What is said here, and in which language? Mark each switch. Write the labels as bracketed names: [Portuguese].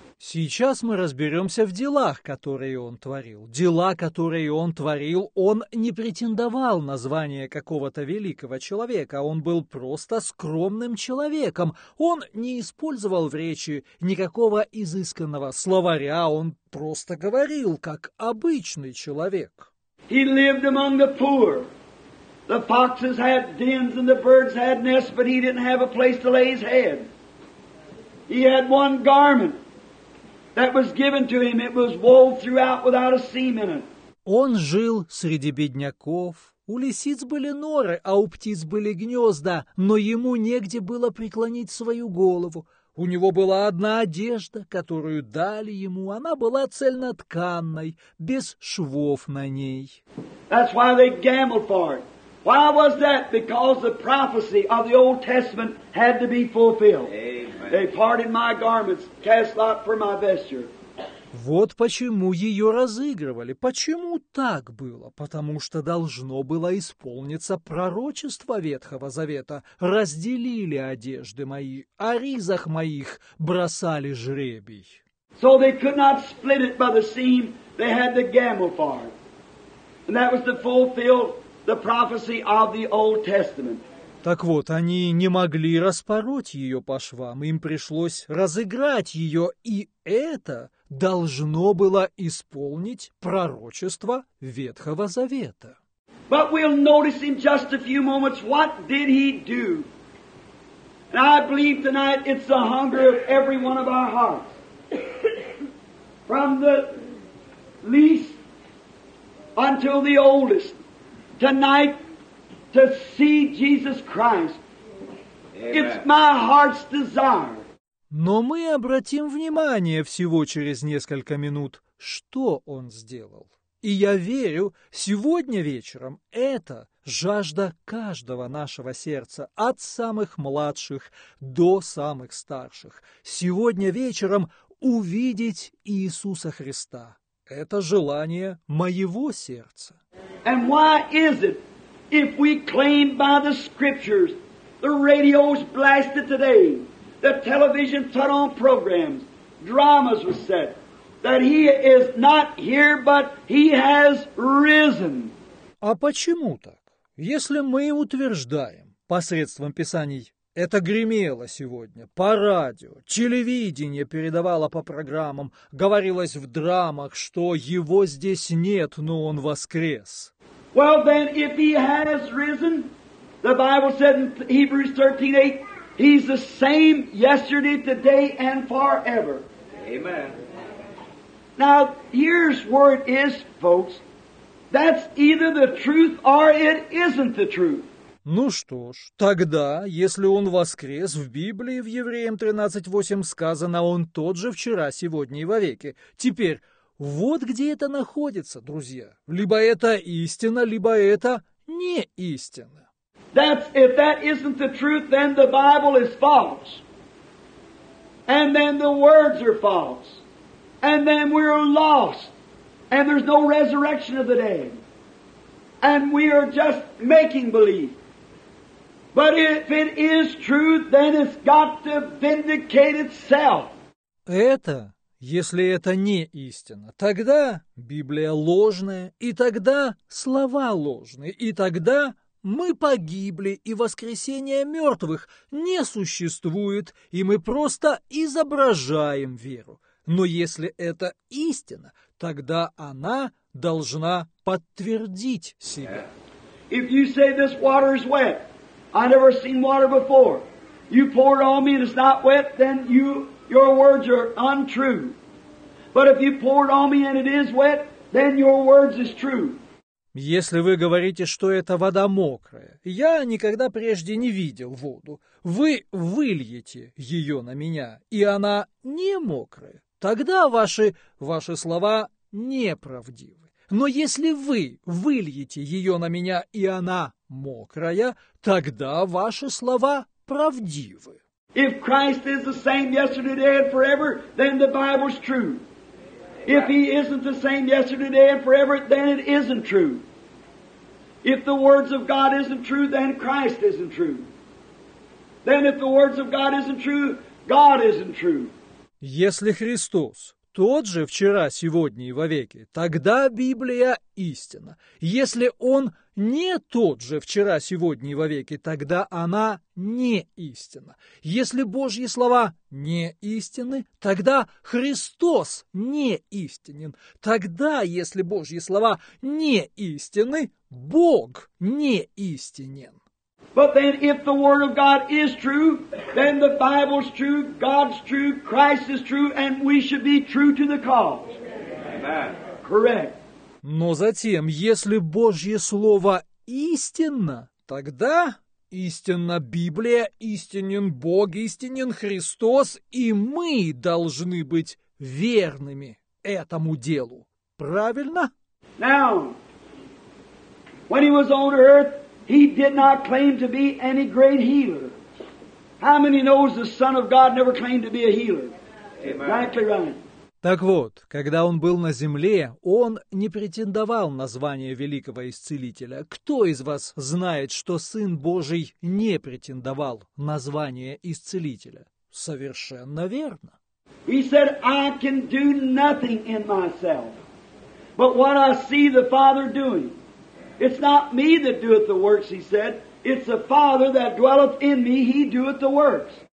[Russian] Сейчас мы разберемся в делах, которые он творил. Дела, которые он творил, он не претендовал на звание какого-то великого человека. Он был просто скромным человеком. Он не использовал в речи никакого изысканного словаря. Он просто говорил, как обычный человек. [English] He lived among the poor. The foxes had dens and the birds had nests, but he didn't have a place to lay his head. He had one garment. That was given to him. It was wove throughout without a seam in it. [Russian] Он жил среди бедняков. У лисиц были норы, а у птиц были гнезда, но ему негде было преклонить свою голову. У него была одна одежда, которую дали ему. Она была цельнотканной, без швов на ней. [English] That's why they gambled for it. Why was that? Because the prophecy of the Old Testament had to be fulfilled. Amen. They parted my garments, cast lot for my vesture. [Russian] Вот почему ее разыгрывали. Почему так было? Потому что должно было исполниться пророчество Ветхого Завета. Разделили одежды мои, о ризах моих бросали жребий. [English] So they could not split it by the seam, they had to gamble for it. And that was to fulfill the prophecy of the Old Testament. [Russian] Так вот, они не могли распороть ее по швам, им пришлось разыграть ее, и это должно было исполнить пророчество Ветхого Завета. [English] But we'll notice in just a few moments what did he do. And I believe tonight it's the hunger of every one of our hearts. From the least until the oldest. Tonight, to see Jesus Christ. Amen. It's my heart's desire. [Russian] Но мы обратим внимание всего через несколько минут, что он сделал. И я верю, сегодня вечером это жажда каждого нашего сердца, от самых младших до самых старших. Сегодня вечером увидеть Иисуса Христа. Это желание моего сердца. [English] And why is it, if we claim by the scriptures, the radios blasted today, the television put on programs, dramas were set, that he is not here, but he has risen? [Russian] А почему так? Если мы утверждаем посредством Писаний, это гремело сегодня по радио, телевидение передавало по программам, говорилось в драмах, что его здесь нет, но он воскрес. [English] Well then, if he has risen, the Bible said in Hebrews 13:8, he's the same yesterday, today, and forever. Amen. Now, here's where it is, folks. That's either the truth or it isn't the truth. [Russian] Ну что ж, тогда, если он воскрес, в Библии, в Евреям 13:8 сказано, он тот же вчера, сегодня и вовеки. Теперь, вот где это находится, друзья. Либо это истина, либо это не истина. [English] That's, if that isn't the truth, then the Bible is false. And then the words are false. And then we're lost. And there's no resurrection of the dead. And we are just making believe. But if it is truth, then it's got to vindicate itself. [Russian] Это, если это не истина, тогда Библия ложная, и тогда слова ложные, и тогда мы погибли, и воскресение мертвых не существует, и мы просто изображаем веру. Но если это истина, тогда она должна подтвердить себя. [English] If you say this water is wet, I never seen water before. You pour it on me and it's not wet, then you, your words are untrue. But if you pour it on me and it is wet, then your words is true. [Russian] Если вы говорите, что эта вода мокрая, я никогда прежде не видел воду. Вы выльете ее на меня, и она не мокрая. Тогда ваши слова неправдивы. Но если вы выльете ее на меня, и она мокрая, тогда ваши слова правдивы. [English] If Christ is the same yesterday, today, and forever, then the Bible's true. If he isn't the same yesterday, today, and forever, then it isn't true. If the words of God isn't true, then Christ isn't true. Then if the words of God isn't true, God isn't true. [Russian] Если Христос тот же вчера, сегодня и вовеки, тогда Библия истина. Если Он не тот же вчера, сегодня и вовеки, тогда она не истина. Если Божьи слова не истины, тогда Христос не истинен. Тогда, если Божьи слова не истины, Бог не истинен. [English] But then if the Word of God is true, then the Bible's true, God's true, Christ is true, and we should be true to the cause. Amen. Correct. [Russian] Но затем, если Божье Слово истинно, тогда истинна Библия, истинен Бог, истинен Христос, и мы должны быть верными этому делу. Правильно? [English] Now, when he was on earth, he did not claim to be any great healer. How many knows the Son of God never claimed to be a healer? Exactly right. [Russian] Так вот, когда он был на земле, он не претендовал на звание великого исцелителя. Кто из вас знает, что Сын Божий не претендовал на звание исцелителя? Совершенно верно. [English] He said, I can do nothing in myself, but what I see the Father doing. It's not me that doeth the works, he said. It's the Father that dwelleth in me, he doeth the works.